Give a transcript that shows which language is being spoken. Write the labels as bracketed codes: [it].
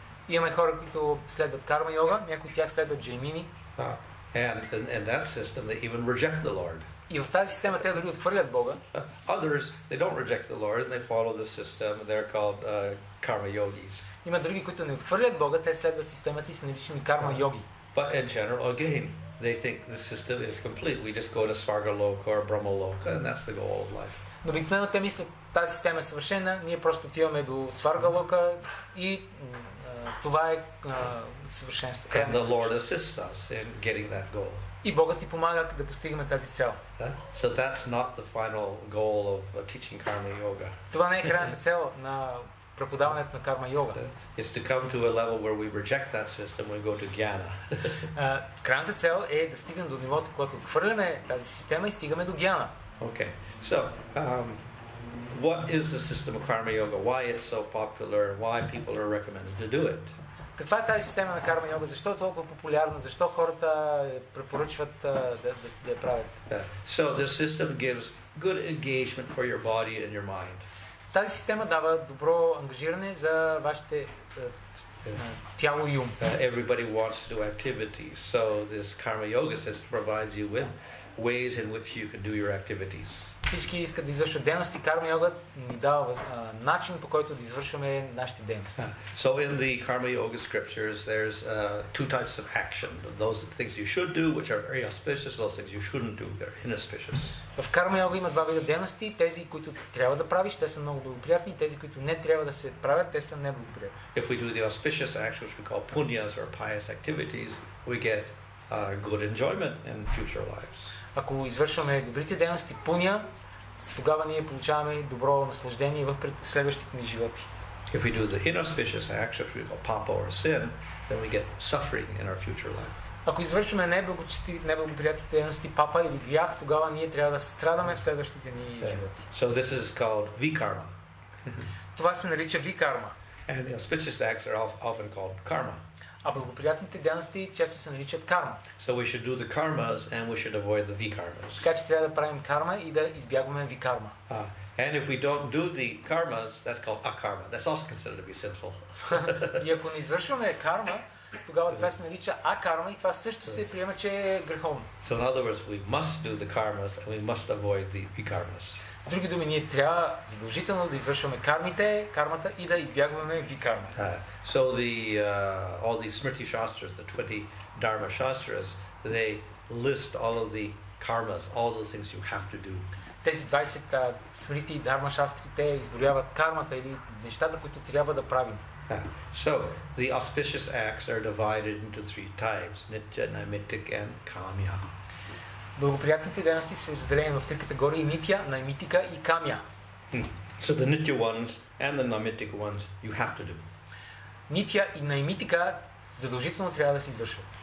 [bg] Имаме хора, които следват Карма Йога, някои от тях следват Джаймини. [en] And that system, they even reject the Lord. [bg] И в тази система те дори отхвърлят Бога. [en] Others, they don't reject the Lord, they follow the system, they're called Karma Yogis. [bg] Има други, които не отхвърлят Бога, те следват системата и са наричани Карма Йоги. [en] But in general, again, they think the system is complete. We just go to Svarga Loka or Brahma Loka, and that's the goal of life. [bg] Но обикновено те мислят, тази система е съвършена, ние просто отиваме до Сварга Лока и това е съвършенство. [en] And the Lord assists us in getting that goal. [bg] И Богът ни помага да постигаме тази цел. [en] So that's not the final goal of teaching Karma Yoga. [bg] Това не е крайната цел на преподаването на Карма Йога. [en] It's to come to a level where we reject that system, we go to Gyana. [bg] Крайната цел е да стигнем до нивото, когато хвърляме тази система и стигаме до Гяна. [en] Okay, so what is the system of Karma Yoga? Why it's so popular? Why people are recommended to do it? [bg] Каква е тази система на Карма Йога? Защо е толкова популярна? Защо хората препоръчват да правят? [en] So the system gives good engagement for your body and your mind. [bg] Тази система дава добро ангажиране за вашите тяло и ум. [en] Everybody wants to do activities, so this karma yoga system provides you with ways in which you can do your activities. [bg] Всички искат да извършат дейности, карма йога ни дава начин по който да извършваме нашите дейности. [en] So in the karma yoga scriptures, there's two types of action. Those are the things you should do, which are very auspicious, those things you shouldn't do, they're inauspicious. [bg] В карма йога има два вида дейности, тези които трябва да правиш, те са много благоприятни, тези които не трябва да се правят, те са неблагоприятни. [en] If we do the auspicious actions, which we call punyas or pious activities, we get good enjoyment in future lives. [bg] Ако извършваме добрите дейности, пуня, тогава ние получаваме добро наслаждение в следващите ни животи. [en] If we do the inauspicious actions, we call papa or sin, then we get suffering in our future life. [bg] Ако извършваме неблагоприятни дейности, папа или грях, тогава ние трябва да страдаме в следващите ни животи. [en] So this is called vikarma. [bg] Това се нарича vikarma. [en] And the auspicious acts are often called karma. [bg] А благоприятните дейности често се наричат карма. [en] So we should do the karmas and we should avoid the vikarmas. [bg] Така че трябва да правим карма и да избягваме викарма. [en] And if we don't do the karmas, that's called akarma. That's also considered to be sinful. [bg] И ако не извършваме карма, тогава това се нарича акарма и това също се приема, че е греховно. [en] So in other words, we must do the karmas and we must avoid the vikarmas. [bg] С други думи, ние трябва задължително да извършваме кармите, кармата и да избягваме викарма. [en] So the all these smriti shastras, the 20 dharma shastras, they list all of the karmas, all the things you have to do. [bg] Тези 20 смрити дарма шастри, те изброяват кармата или нещата, които трябва да правим. [en] So the auspicious acts are divided into three types: nitya, naimittik and kamya. [bg] Благоприятните дейности се разделени в три категории: нитя, наймитика и камя. [en] So the nitya ones and the naimittika ones you have to do. [bg] Нитя и наймитика задължително трябва да се извършват.